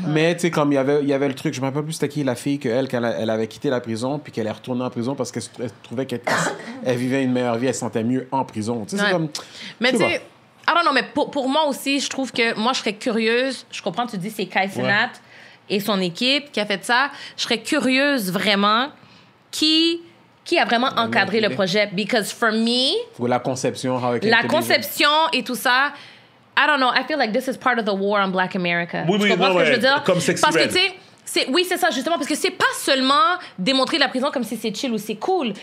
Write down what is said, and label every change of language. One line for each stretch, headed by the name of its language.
French: Mais, tu sais, comme il y avait le truc, je me rappelle plus c'était qui la fille qu'elle avait quitté la prison puis qu'elle est retournée en prison parce qu'elle trouvait qu'elle vivait une meilleure vie, elle sentait mieux en prison. Mais tu sais, non, mais pour moi aussi, je trouve que moi, je serais curieuse. Je comprends, tu dis, c'est Kai Cenat et son équipe qui a fait ça. Je serais curieuse vraiment qui a vraiment encadré le projet.
English: Because for me,
French: pour la conception, la conception et tout ça,
English: I don't know, I feel like this is part of the war on Black America.
French: Oui, tu comprends ce que je veux dire? Comme sexuel. Parce que tu sais, c'est, oui, c'est ça, justement, parce que c'est pas seulement démontrer la prison comme si c'est chill ou c'est cool.